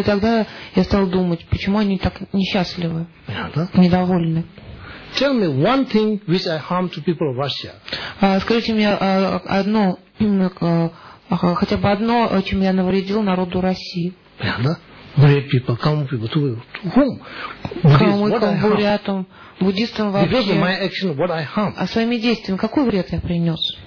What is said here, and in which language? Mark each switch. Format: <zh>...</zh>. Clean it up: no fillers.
<ru>И тогда я стал думать, почему они так несчастливы, недовольны.</ru> <en>Tell me one thing which I harm to people of Russia.</en> <ru>Скажите мне одно, хотя бы одно, чем я навредил народу России.</ru> <en>Бурят people,</en> <ru>кому</ru> <en>people, to whom?</en> <ru>Калмыкам, бурятам, буддистам вообще.</ru> <en>Because of my action, what I harm.</en> <ru>А своими действиями какой вред я принес?</ru>